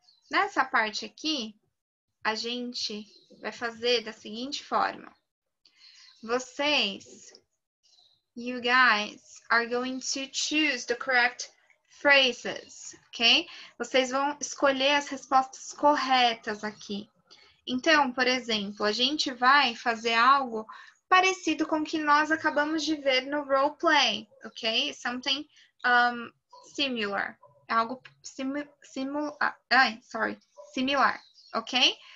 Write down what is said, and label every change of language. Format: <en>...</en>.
<pt>Nessa parte aqui, a gente vai fazer da seguinte forma. Vocês,</pt> <en>you guys, are going to choose the correct phrases, ok?</en> <pt>Vocês vão escolher as respostas corretas aqui. Então, por exemplo, a gente vai fazer algo parecido com o que nós acabamos de ver no role play, ok?</pt> <en>Something similar,</en> <pt>algo similar,</pt> <en>okay?</en>